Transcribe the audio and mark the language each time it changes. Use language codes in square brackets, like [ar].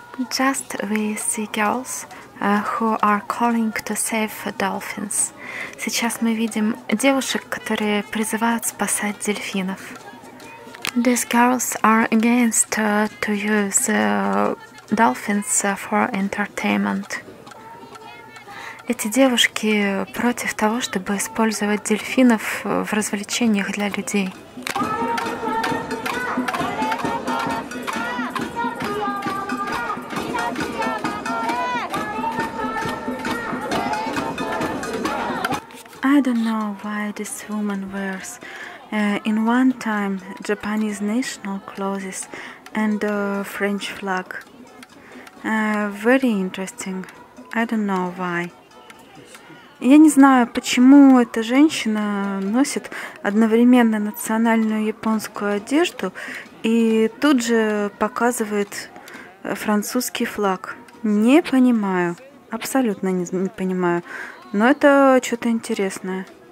[en] Just we see girls who are calling to save dolphins. [ru] Сейчас мы видим девушек, которые призывают спасать дельфинов. [en] These girls are against to use dolphins for entertainment. [ru] Эти девушки против того, чтобы использовать дельфинов в развлечениях для людей. [en] I don't know why this woman wears in one time Japanese national clothes and French flag. Very interesting. I don't know why. [ru] Я не знаю, почему эта женщина носит одновременно национальную японскую одежду и тут же показывает французский флаг. Не понимаю. Абсолютно не понимаю. Но это что-то интересное.